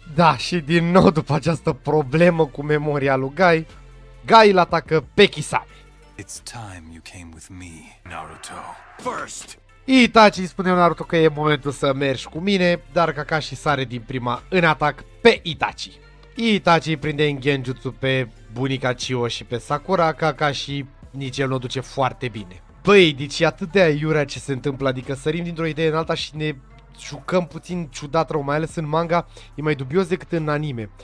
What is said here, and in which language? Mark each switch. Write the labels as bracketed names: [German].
[Romanian] Da, și din nou după această problemă cu memoria lui Gai, Gai îl atacă pe Kisame. [English] It's time you came with me, Naruto. First. [Romanian] Itachi îi spune Naruto că e momentul să mergi cu mine, dar Kakashi sare din prima în atac pe Itachi. Itachi îi prinde în genjutsu pe bunica Chio și pe Sakura, Kakashi nici el nu o duce foarte bine. Băi, deci e atât de aiurea ce se întâmplă, adică sărim dintr-o idee în alta și ne jucăm puțin ciudat rău, mai ales în manga, e mai dubios decât în anime.